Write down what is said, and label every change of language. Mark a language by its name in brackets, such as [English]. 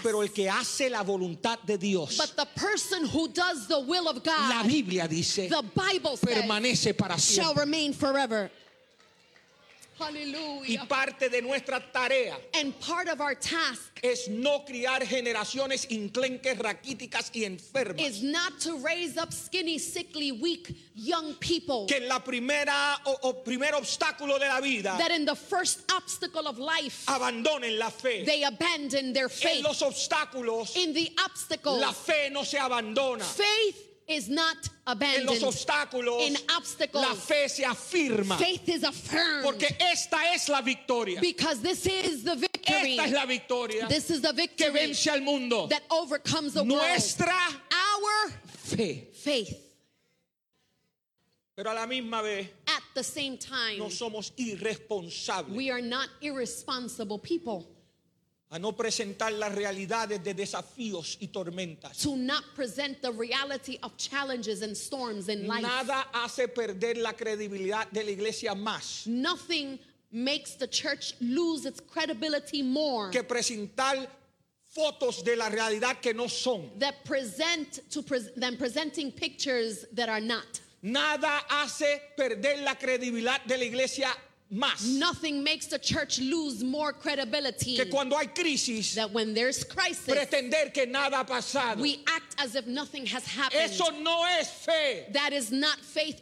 [Spanish] Pero el que hace la voluntad de Dios, [English] but the person who does the will of God, [Spanish] la Biblia dice, [English] the Bible says, [Spanish] permanece para siempre. [English] Shall remain forever. Hallelujah. [Spanish] Y parte de nuestra tarea, [English] and part of our task, [Spanish] es no criar generaciones inclenques, raquíticas y enfermas, [English] is not to raise up skinny, sickly, weak young people, [Spanish] que en la primera o primer obstáculo de la vida, [English] that in the first obstacle of life, [Spanish] abandonen la fe, [English] they abandon their faith, [Spanish] en los obstáculos, [English] in the obstacles, [Spanish] la fe no se abandona, [English] faith is not abandoned. [Spanish] En los obstáculos, [English] in obstacles, [Spanish] la fe se afirma. [English] Faith is affirmed. [Spanish] Porque esta es la victoria. [English] Because this is the victory. [Spanish] Esta es la victoria. [English] This is the victory [Spanish] que vence al mundo. [English] That overcomes the [Spanish] nuestra [English] world. [Spanish] Nuestra fe. [English] Faith. [Spanish] Pero a la misma vez, [English] at the same time, [Spanish] no somos irresponsables. [English] We are not irresponsible people. [Spanish] A no presentar las realidades de desafíos y tormentas. [English] To not present the reality of challenges and storms in life. [Spanish] Nada hace perder la credibilidad de la iglesia más. [English] Nothing makes the church lose its credibility more. [Spanish] Que presentar fotos de la realidad que no son. [English] That present to than presenting pictures that are not. [Spanish] Nada hace perder la credibilidad de la iglesia más. [English] Nothing makes the church lose more credibility [Spanish] que cuando hay crisis, [English] that when there's crisis, [Spanish] pretender que nada ha pasado. [English] We act as if nothing has happened. [Spanish] Eso no es fe. [English] That is not faith